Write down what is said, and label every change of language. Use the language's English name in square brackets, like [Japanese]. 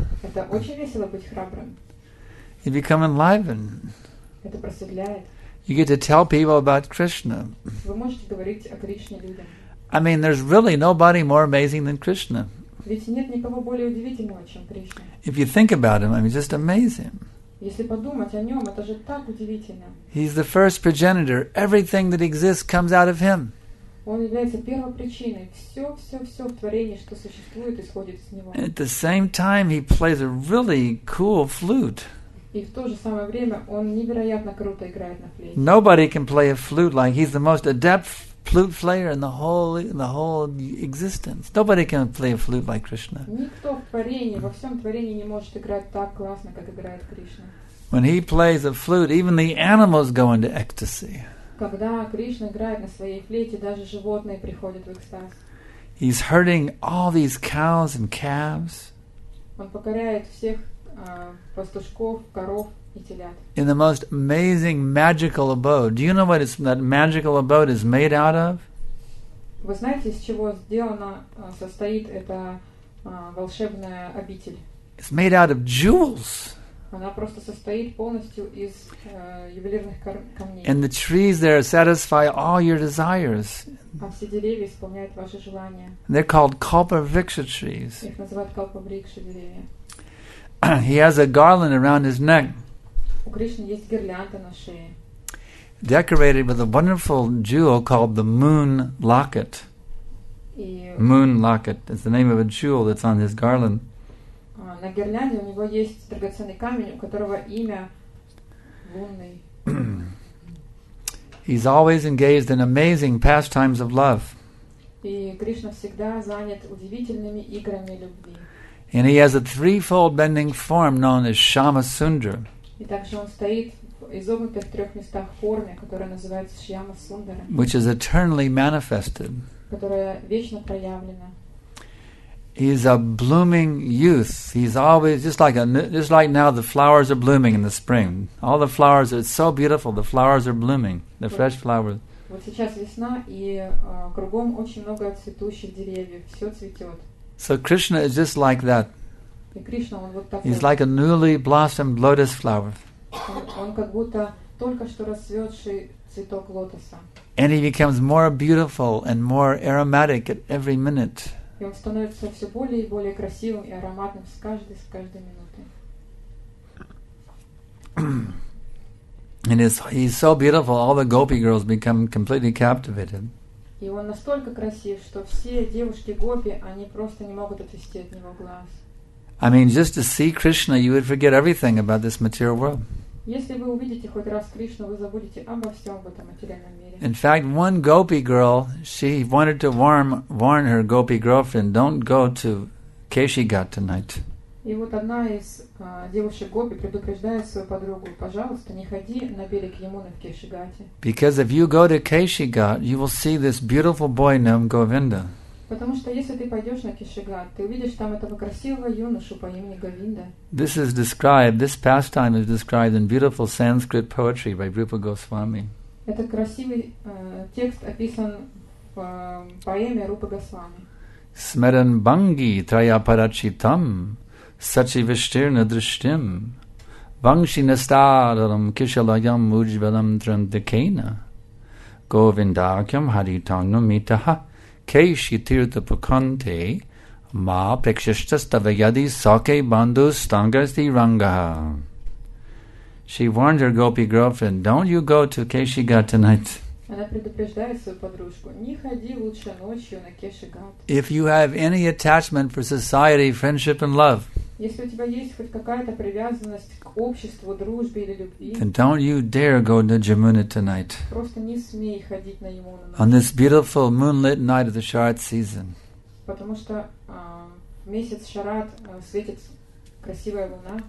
[Russian] Это очень весело быть храбрым. [English] You become enlivened. [Russian] Это просветляет. [English] You get to tell people about Krishna. [Russian] Вы можете говорить о Кришне людям. [English] I mean, there's really nobody more amazing than Krishna. [Russian] Ведь нет никого более удивительного, чем Кришна. [English] If you think about him, I mean, just amazing. [Russian] Если подумать о нем, это же так удивительно. [English] He's the first progenitor. Everything that exists comes out of him. [Russian] Он является первопричиной. Все в творении, что существует, исходит из него. [English] At the same time, he plays a really cool flute. [Russian] И в то же самое время он невероятно круто играет на флейте. [English] Nobody can play a flute like he's the most adept flute player in the whole existence. Nobody can play a flute like Krishna. [Russian] Никто в творении, во всем творении не может играть так классно, как играет Кришна. [English] When he plays a flute, even the animals go into ecstasy. [Russian] Когда Кришна играет на своей флейте, даже животные приходят в экстаз. [English] He's herding all these cows and calves. [Russian] Он покоряет всех пастушков, коров и телят. [English] In the most amazing magical abode. Do you know what that magical abode is made out of? [Russian] Вы знаете, из чего сделана, состоит эта волшебная обитель? [English] It's made out of jewels. [Russian] Она просто состоит полностью из ювелирных камней. [English] And the trees there satisfy all your desires. [Russian] А все деревья исполняют ваши желания. [English] And they're called kalpavriksha trees. [Russian] Их называют kalpavriksha деревья. [English] He has a garland around his neck. [Russian] У Кришны есть гирлянда на шее. [English] Decorated with a wonderful jewel called the moon locket. Moon locket is the name of a jewel that's on his garland. [Russian] На гирлянде у него есть драгоценный камень, у которого имя лунный. [English] He's always engaged in amazing pastimes of love. [Russian] И Кришна всегда занят удивительными играми любви. [English] And he has a threefold bending form known as Shyamasundara. [Russian] И также он стоит изогнутый в трех местах форме, которая называется Шьямасундара. [English] Which is eternally manifested. [Russian] Которая вечно проявлена. [English] He's a blooming youth. He's always just like now the flowers are blooming in the spring. All the flowers are so beautiful. The flowers are blooming. The fresh flowers. [Russian] Вот сейчас весна и кругом очень много цветущих деревьев. Все цветет. [English] So Krishna is just like that. [Russian] И Кришна, он вот такой. [English] He's like a newly blossomed lotus flower. [Russian] Он как будто только что расцветший цветок лотоса. [English] And he becomes more beautiful and more aromatic at every minute. [Russian] И он становится все более и более красивым и ароматным с каждой минутой. [English] And he's so beautiful, all the gopi girls become completely captivated. [Russian] И он настолько красив, что все девушки гопи, они просто не могут отвести от него глаз. [English] I mean, just to see Krishna, you would forget everything about this material world. [Russian] Если вы увидите хоть раз Кришну, вы забудете обо всем в этом материальном мире. [English] In fact, one gopi girl, she wanted to warn her gopi girlfriend, don't go to Keshigat tonight. [Russian] И вот одна из девушек гопи предупреждает свою подругу, пожалуйста, не ходи на берег Ямуны в Кешигате. [English] Because if you go to Keshigat, you will see this beautiful boy named Govinda. [Russian] Потому что если ты пойдешь на Кешигат, ты увидишь там этого красивого юношу по имени Говинда. [English] This pastime is described in beautiful Sanskrit poetry by Rupa Goswami. [Russian] Этот красивый текст описан в поэме Рупы Госвами. [Sanskrit] Смеран банги траяпарачитам сачи виштирна дриштим ванши настаралам кишалаям муджвалам трандакена говиндакям харитангам митаха кейши тирта пуканте ма прекшишта ставаяди саке банду стангасти рангаха. [English] She warned her gopi girlfriend, don't you go to Keshigat tonight. [Russian] Она предупреждает свою подружку, не ходи лучше ночью на Кешигат. [English] If you have any attachment for society, friendship and love, [Russian] если у тебя есть хоть какая-то привязанность к обществу, дружбе или любви, [English] then don't you dare go to Jamuna tonight. [Russian] Просто не смей ходить на Ямуну. [English] On this beautiful moonlit night of the Sharad season. [Russian] Потому что месяц Шарад светит красивая луна.